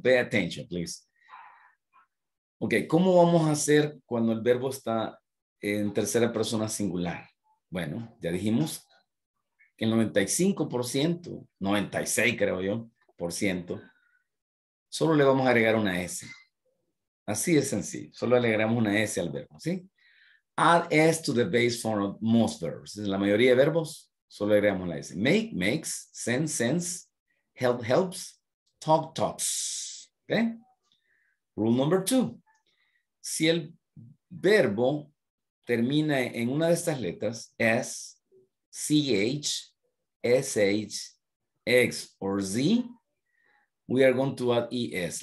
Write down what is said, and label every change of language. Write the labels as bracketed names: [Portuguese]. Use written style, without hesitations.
[Spanish] Pay attention, please. Ok, ¿cómo vamos a hacer cuando el verbo está en tercera persona singular? Bueno, ya dijimos que el 95%, 96 creo yo, por ciento, solo le vamos a agregar una S. Así es sencillo, solo le agregamos una S al verbo, ¿sí? [English] Add S to the base form of most verbs. [Spanish] En la mayoría de verbos, solo agregamos la S. [English] Make, makes, send, sends, help, helps, talk, talks. ¿Okay? Rule number two. [Spanish] Si el verbo termina en una de estas letras, S, CH, SH, X, or Z, we are going to add ES.